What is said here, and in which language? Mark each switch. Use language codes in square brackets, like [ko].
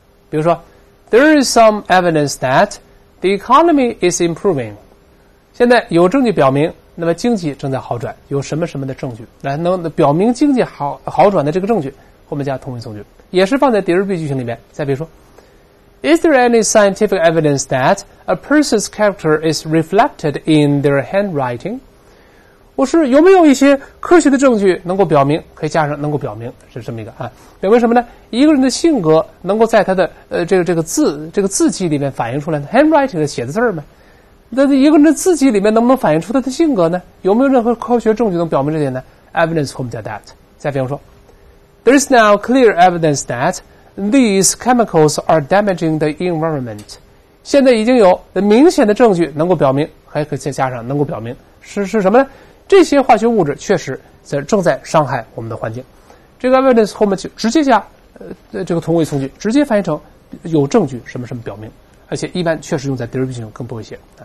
[zh] 比如说 [en] ，there is some evidence that the economy is improving。 [zh] 现在有证据表明，那么经济正在好转。有什么什么的证据来能表明经济好转的这个证据？后面加同位从句，也是放在 there be 句型里面。再比如说 [en] ，Is there any scientific evidence that a person's character is reflected in their handwriting？ [zh] 我是有没有一些科学的证据能够表明，可以加上能够表明，是这么一个啊，表明什么呢？一个人的性格能够在他的这个字迹里面反映出来 ，handwriting 的写的字儿吗？那一个人的字迹里面能不能反映出他的性格呢？有没有任何科学证据能表明这点呢 ？ [en] Evidence comes to that。 [zh] 再比方说 [en] ，There is now clear evidence that these chemicals are damaging the environment。 [zh] 现在已经有明显的证据能够表明，还可以再加上能够表明是什么呢？这些化学物质确实在正在伤害我们的环境。这个 evidence 后面就直接加这个同位从句，直接翻译成有证据什么什么表明，而且一般确实用在 derivation 更多一些。